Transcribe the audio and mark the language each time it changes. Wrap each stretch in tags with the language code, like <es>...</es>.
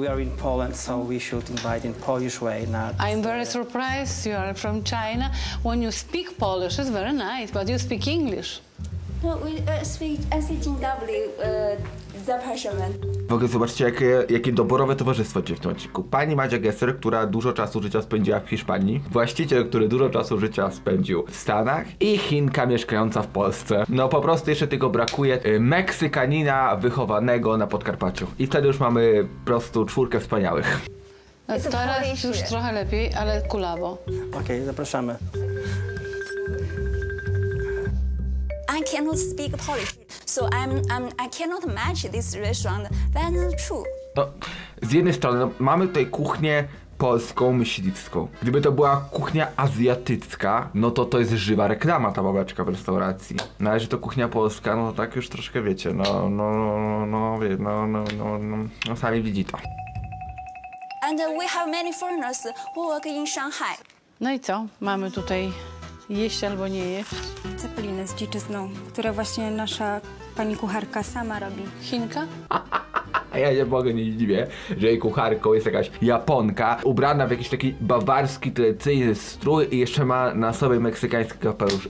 <en>We are in Poland, so we should invite in Polish way. I'm very surprised you are from China. When you speak Polish, it's very nice, but you speak English. No, we speak SHW,</en> <pl>zapraszamy. W ogóle zobaczcie, jakie doborowe towarzystwo dzieje w tym odcinku. Pani Madzia Gesser, która dużo czasu życia spędziła w Hiszpanii. Właściciel, który dużo czasu życia spędził w Stanach. I Chinka mieszkająca w Polsce. No po prostu jeszcze tylko brakuje Meksykanina wychowanego na Podkarpaciu. I wtedy już mamy po prostu czwórkę wspaniałych. Teraz już trochę lepiej, ale kulawo. Okej, zapraszamy.</pl> <en>I cannot speak Polish, so I cannot match this restaurant. That's true.</en> <pl>To z jednej strony, no, mamy tutaj kuchnię polską myśliwską. Gdyby to była kuchnia azjatycka, no to jest żywa reklama ta babeczka w restauracji. No ale że to kuchnia polska, no tak już troszkę wiecie, no sami widzi to.</pl> <en>And we have many foreigners who work in Shanghai.</en> <pl>No i co? Mamy tutaj jeść albo nie jeść. Cepeliny z dziczyzną, które właśnie nasza pani kucharka sama robi. Chinka? Ja nie mogę, nie dziwię, że jej kucharką jest jakaś Japonka ubrana w jakiś taki bawarski, tradycyjny strój i jeszcze ma na sobie meksykański kapelusz.</pl>